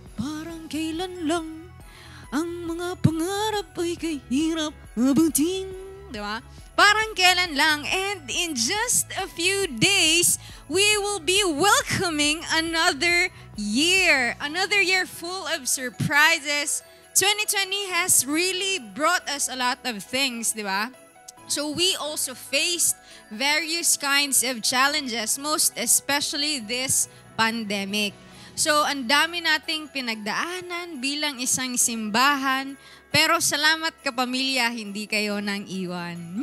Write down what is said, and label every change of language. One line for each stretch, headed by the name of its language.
Filipino: Parang kailan lang ang mga pangarap ay kay hirap abutin, di ba? Parang kailan lang.
English: And in just a few days, we will be welcoming another year. Another year full of surprises. 2020 has really brought us a lot of things, di ba? So we also faced various kinds of challenges, most especially this pandemic.
Filipino: So ang dami nating pinagdaanan bilang isang simbahan, pero salamat kapamilya, hindi kayo nang iwan.